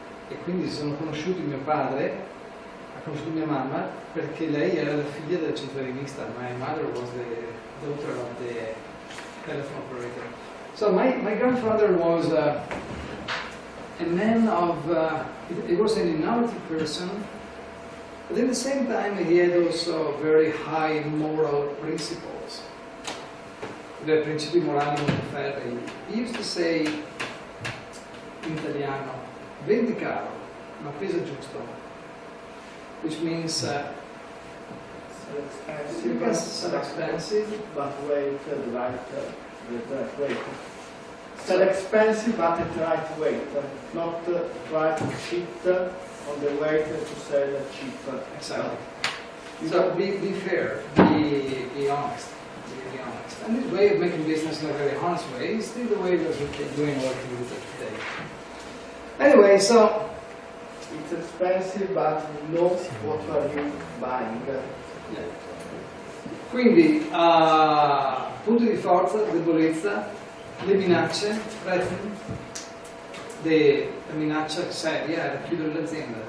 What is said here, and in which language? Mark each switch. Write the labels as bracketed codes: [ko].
[it] E quindi si sono conosciuti mio padre, ha conosciuto mia mamma, perché lei era la figlia del centralinista. [en] My mother was the daughter of the telephone operator. So my grandfather was a man of, he was an innovative person, but at the same time he had also very high moral principles. [it] The principi morali molto ferri. [en] He used to say in [it] Italiano, vendi caro, ma pesa giusto. [en] Which means sell expensive but at the right weight. Not try to cheat on the weight to sell cheap. Exactly. So be fair, be honest. And this way of making business in a very honest way is still the way that we're doing what we do today. Anyway, so it's expensive, but you know what are you buying. Yeah. [it] Quindi, punto di forza, debolezza, le minacce, threaten, la minaccia seria era chiudere l'azienda.